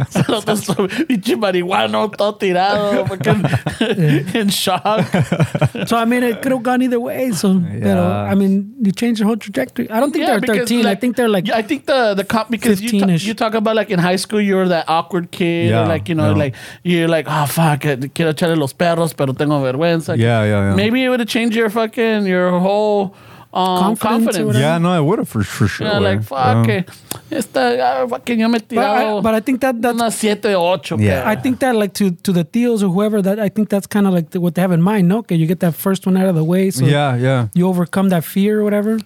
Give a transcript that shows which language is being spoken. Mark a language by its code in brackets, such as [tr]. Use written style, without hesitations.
[es] El otro está pinche marihuana, todo tirado, [en] in shock. So, I mean, it could have gone either way. So, yeah. But, I mean, you changed your whole trajectory. I don't think they're 13. Like, I think they're like, yeah, I think the cop, because 15-ish. You talk about like in high school, you were that awkward kid. Yeah. Or like, you know, yeah. Like, you're like, oh, fuck, [es] quiero echarle los perros, pero tengo vergüenza. [en] Yeah, yeah, yeah. Maybe it would have changed your fucking, your whole... confidence. Yeah, no, I would have for sure. Yeah, like, fuck it. But I think that's... [es] Una siete ocho, [en] I think that, like, to the deals or whoever, that I think that's kind of like what they have in mind, no? Okay, you get that first one out of the way, so you overcome that fear or whatever.